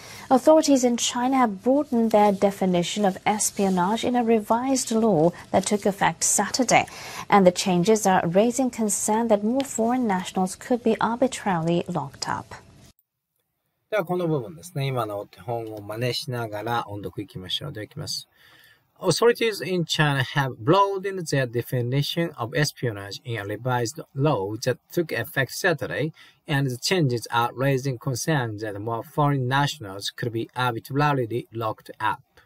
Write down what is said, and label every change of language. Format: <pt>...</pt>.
<en>Authorities in China have broadened their definition of espionage in a revised law that took effect Saturday. And the changes are raising concern that more foreign nationals could be arbitrarily locked up.</en> <ja>ではこの部分ですね、今のお手本を真似しながら音読いきましょう。ではいきます。</ja> <en>Authorities in China have broadened their definition of espionage in a revised law that took effect Saturday, and the changes are raising concerns that more foreign nationals could be arbitrarily locked up.</en>